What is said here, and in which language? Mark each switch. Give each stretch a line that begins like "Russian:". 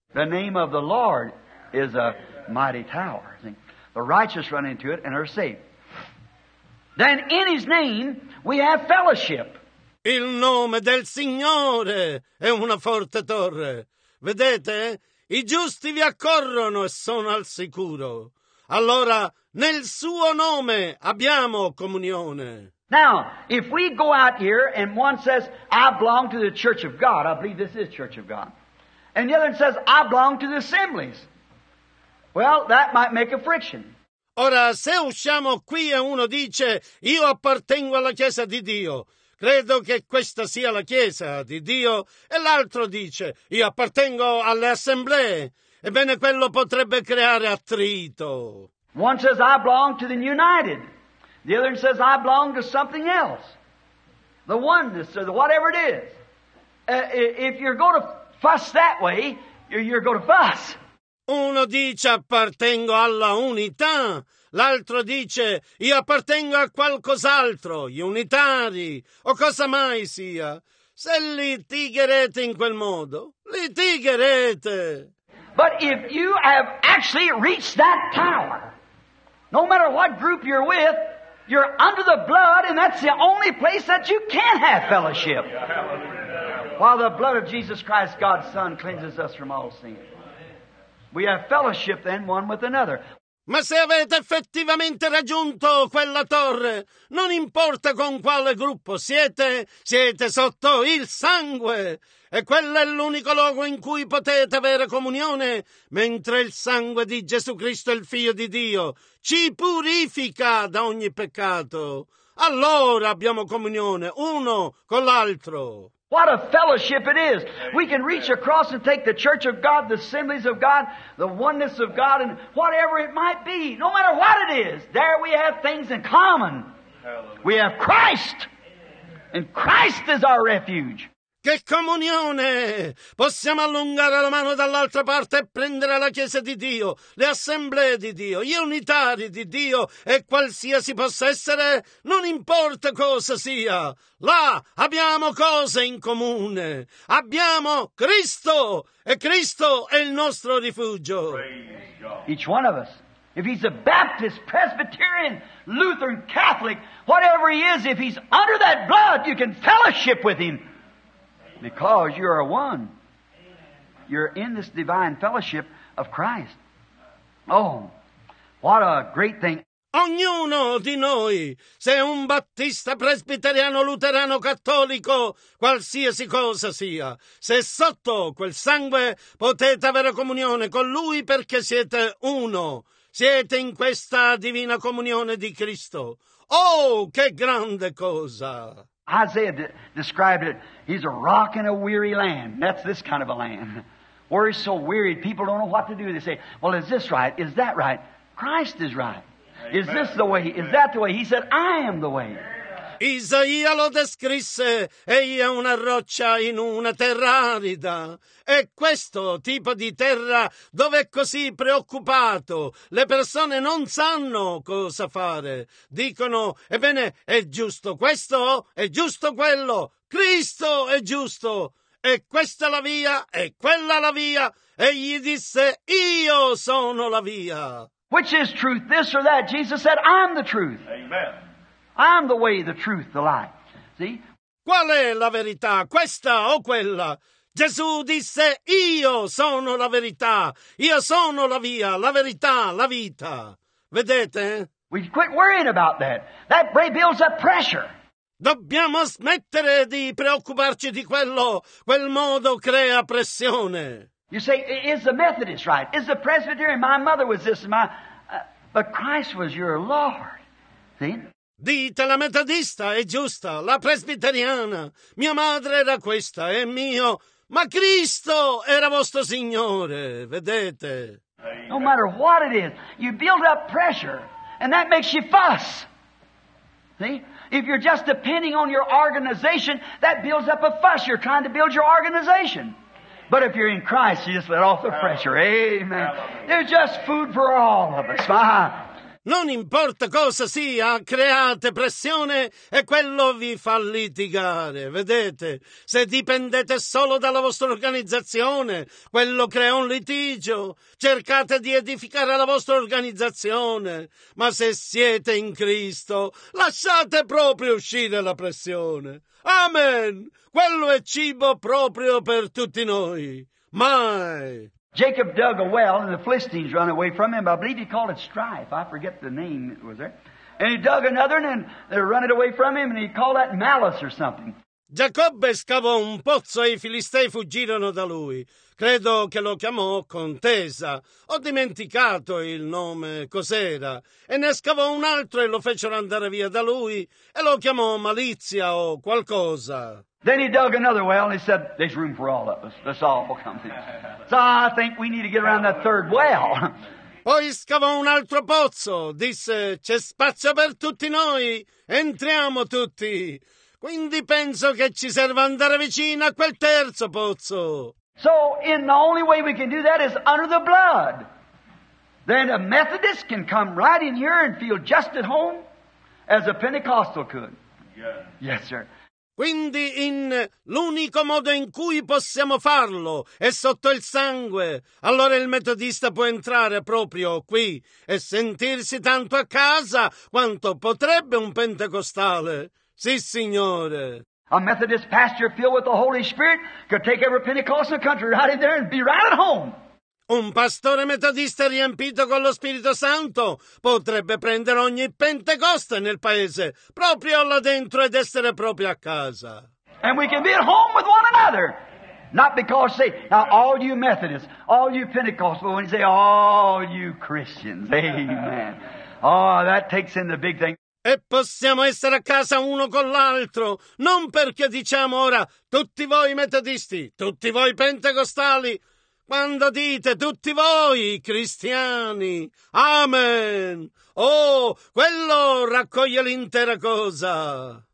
English: The name of the Lord is a mighty tower. The righteous run into it and are saved. Then in His name we have fellowship.
Italian: Il nome del Signore è una forte torre. Vedete? I giusti vi accorrono e sono al sicuro. Allora, nel suo nome abbiamo comunione.
English: Now, if we go out here and one says, I belong to the Church of God, I believe this is Church of God, and the other says, I belong to the assemblies, well, that might make a friction.
Italian: Ora, se usciamo qui e uno dice, io appartengo alla Chiesa di Dio, credo che questa sia la Chiesa di Dio, e l'altro dice, io appartengo alle assemblee, ebbene quello potrebbe creare attrito.
English: One says, I belong to the United. The other says, I belong to something else. The oneness, or the whatever it is. If you're going to fuss that way, you're going to fuss.
Italian: Uno dice, appartengo alla unità. L'altro dice, io appartengo a qualcos'altro, gli unitari, o cosa mai sia. Se litigherete in quel modo, litigherete.
English: But if you have actually reached that tower, no matter what group you're with, you're under the blood, and that's the only place that you can have fellowship. While the blood of Jesus Christ, God's Son, cleanses us from all sin. We have fellowship then, one with another.
Italian: Ma se avete effettivamente raggiunto quella torre, non importa con quale gruppo siete, siete sotto il sangue. E quello è l'unico luogo in cui potete avere comunione, mentre il sangue di Gesù Cristo, il Figlio di Dio, ci purifica da ogni peccato. Allora abbiamo comunione, uno con l'altro.
English: What a fellowship it is. We can reach across and take the Church of God, the assemblies of God, the oneness of God, and whatever it might be, no matter what it is, there we have things in common. Hallelujah. We have Christ, and Christ is our refuge.
Italian: Che comunione! Possiamo allungare la mano dall'altra parte e prendere la Chiesa di Dio, le assemblee di Dio, gli unitari di Dio e qualsiasi possa essere, non importa cosa sia. Là abbiamo cose in comune. Abbiamo Cristo e Cristo è il nostro rifugio.
English: Each one of us, if he's a Baptist, Presbyterian, Lutheran, Catholic, whatever he is, if he's under that blood, you can fellowship with him. Because you are one. You're in this divine fellowship of Christ. Oh, what a great thing.
Italian: Ognuno di noi, se un battista, presbiteriano, luterano, cattolico, qualsiasi cosa sia, se sotto quel sangue potete avere comunione con lui perché siete uno, siete in questa divina comunione di Cristo. Oh, che grande cosa!
English: Isaiah described it, he's a rock in a weary land. That's this kind of a land. Where he's so weary, people don't know what to do. They say, well, is this right? Is that right? Christ is right. Amen. Is this the way? Amen. Is that the way? He said, I am the way.
Italian: Isaia lo descrisse, egli è una roccia in una terra arida. È questo tipo di terra dove è così preoccupato. Le persone non sanno cosa fare. Dicono, ebbene, è giusto questo, è giusto quello. Cristo è giusto. E questa la via, e quella la via. Egli disse, io sono la via.
English: Which is truth, this or that? Jesus said, I'm the truth. Amen. I'm the way, the truth, the life. See?
Italian: Qual è la verità? Questa o quella? Gesù disse, io sono la verità. Io sono la via, la verità, la vita. Vedete?
English: We quit worrying about that. That builds up pressure.
Italian: Dobbiamo smettere di preoccuparci di quello. Quel modo crea pressione.
English: You say, is the Methodist right? Is the Presbyterian? My mother was this. But Christ was your Lord. See?
Italian: Dite, la metodista è giusta, la presbiteriana, mia madre era questa, è mio, ma Cristo era vostro Signore, vedete?
English: No matter what it is, you build up pressure, and that makes you fuss. See? If you're just depending on your organization, that builds up a fuss. You're trying to build your organization. But if you're in Christ, you just let off the pressure. Amen. There's just food for all of us.
Italian: Non importa cosa sia, create pressione e quello vi fa litigare. Vedete, se dipendete solo dalla vostra organizzazione, quello crea un litigio. Cercate di edificare la vostra organizzazione. Ma se siete in Cristo, lasciate proprio uscire la pressione. Amen! Quello è cibo proprio per tutti noi. Mai!
English: Jacob dug a well, and the Philistines run away from him. I believe he called it strife. I forget the name it was there. And he dug another, and they're running away from him, and he called that malice or something.
Italian: Giacobbe scavò un pozzo e i Filistei fuggirono da lui. Credo che lo chiamò contesa. Ho dimenticato il nome, cos'era. E ne scavò un altro e lo fecero andare via da lui, e lo chiamò malizia o qualcosa.
English: Then he dug another well and he said, there's room for all of us. Let's all come in. So I think we need to get around that third well.
Italian: Poi scavò un altro pozzo. Disse, c'è spazio per tutti noi. Entriamo tutti. Quindi penso che ci serva andare vicino a quel terzo pozzo.
English: So in the only way we can do that is under the blood. Then a Methodist can come right in here and feel just at home as a Pentecostal could. Yes, yes sir.
Italian: Quindi in l'unico modo in cui possiamo farlo è sotto il sangue. Allora il metodista può entrare proprio qui e sentirsi tanto a casa quanto potrebbe un pentecostale. Sì, signore.
English: A Methodist pastor filled with the Holy Spirit could take every Pentecostal country right in there and be right at home.
Italian: Un pastore metodista riempito con lo Spirito Santo potrebbe prendere ogni Pentecoste nel paese, proprio là dentro ed essere proprio a casa.
English: And we can be at home with one another. Not because, say, now all you Methodists, all you Pentecostals, when you say all you Christians, amen. Oh, that takes in the big thing.
Italian: E possiamo essere a casa uno con l'altro, non perché diciamo ora tutti voi metodisti, tutti voi pentecostali, quando dite tutti voi cristiani, amen. Oh, quello raccoglie l'intera cosa.